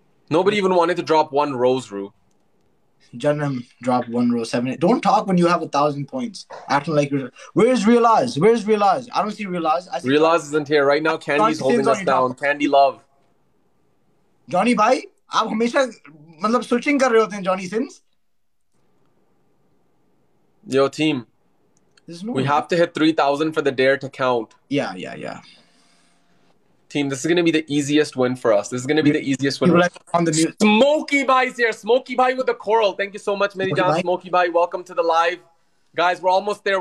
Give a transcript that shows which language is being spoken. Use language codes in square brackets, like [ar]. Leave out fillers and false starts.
[en] Nobody even wanted to drop one rose, Ru. Janam, drop one rose. 7. Don't talk when you have 1,000 points. Acting like you're... Where's Realize? I don't see Realize. Realize isn't here. Right now, Candy's holding us down. Drop. Candy love. Johnny, bye. [hi] आप हमेशा मतलब switching कर रहे होते हैं Johnny Sins. [en] Yo team, we have to hit 3,000 for the dare to count. Yeah. Team, this is gonna be the easiest win for us. This is gonna be the easiest win. Smokey Bai's here. Smokey Bai with the coral. Thank you so much, Mary John. Smokey Bai, welcome to the live. Guys, we're almost there.